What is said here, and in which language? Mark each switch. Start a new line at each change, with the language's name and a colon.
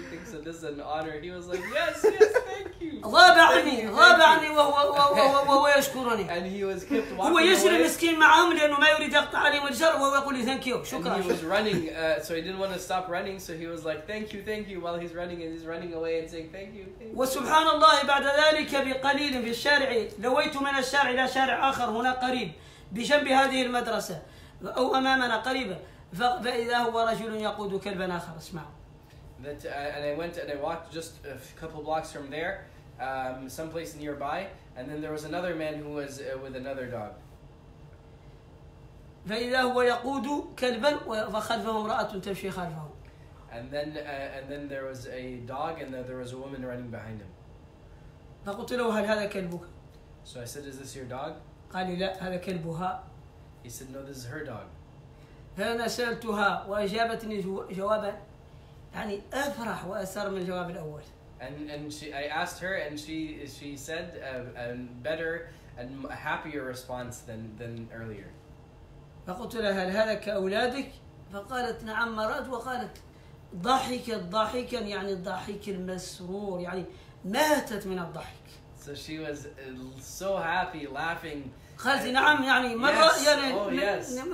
English: He thinks that this is an honor. He was like, yes, thank you. And he was kept walking away. And he was running, so he didn't want to stop running. So he was like, thank you, while he's running. And he's running away and saying, thank you.
Arabic: وسبحان الله بعد ذلك بقليل في الشارع لويت من الشارع إلى شارع آخر هنا قريب بجنب هذه المدرسة أو أمامنا قريبا. فإذا هو رجل يقود كلبا آخر اسمعوا.
English: And I went and I walked just a couple blocks from there, someplace nearby, and then there was another man who was with another dog.
Arabic: فإذا هو يقود كلبا وخلفه امرأة تمشي خلفه.
English: And then there was a dog and there was a woman running behind him.
Arabic: فقلت له هل هذا كلبك؟
English: So I said, is this your dog?
Arabic: قال لي لا هذا كلبها.
English: He said, no, this is her dog.
Arabic: فأنا سألتها وأجابتني جوابا يعني أفرح وأسر من الجواب الأول.
English: And she said a better and a happier response than earlier.
Arabic: فقلت لها هل هلك أولادك؟ فقالت نعم مرات، وقالت ضحكا يعني الضحك المسرور يعني ماتت من الضحك.
English: So she was so happy laughing.
Arabic: قالت نعم يعني مرة يعني